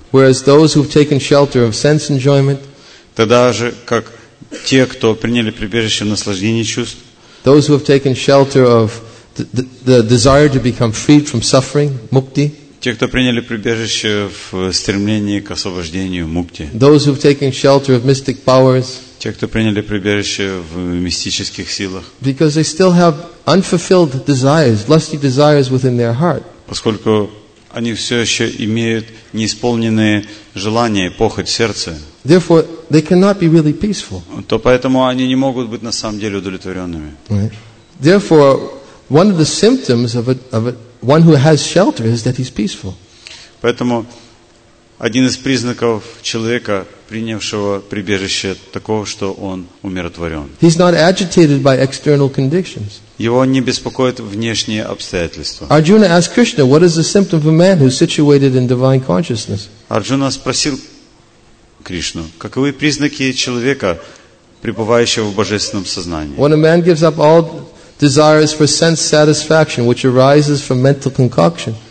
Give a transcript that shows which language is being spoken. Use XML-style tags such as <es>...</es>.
<en>Whereas those who've taken shelter of sense enjoyment,</en> <ru>тогда же, как те, кто приняли прибежище в наслаждении чувств,</ru> <en>those who have taken shelter of the desire to become freed from suffering, mukti,</en> <ru>те, кто приняли прибежище в стремлении к освобождению, мукти,</ru> <en>those who've taken shelter of mystic powers,</en> <ru>те, кто приняли прибежище в мистических силах,</ru> <en>because they still have unfulfilled desires, lusty desires within their heart.</en> <ru>Поскольку они все еще имеют неисполненные желания, похоть в сердце.</ru> <en>Therefore, they cannot be really peaceful.</en> <ru>То поэтому они не могут быть на самом деле удовлетворенными.</ru> <en>Therefore, one of the symptoms of one who has shelter is that he's peaceful.</en> <ru>Поэтому один из признаков человека, принявшего прибежище, такого, что он умиротворен.</ru> <en>He's not agitated by external conditions.</en> <ru>Его не беспокоят внешние обстоятельства.</ru> <en>Arjuna asked Krishna, what is the symptom of a man who's situated in divine consciousness?</en> <ru>Arjuna спросил Кришну, каковы признаки человека, пребывающего в божественном сознании?</ru> <en>When a man gives up all desires for sense satisfaction, which arises from mental concoction.</en>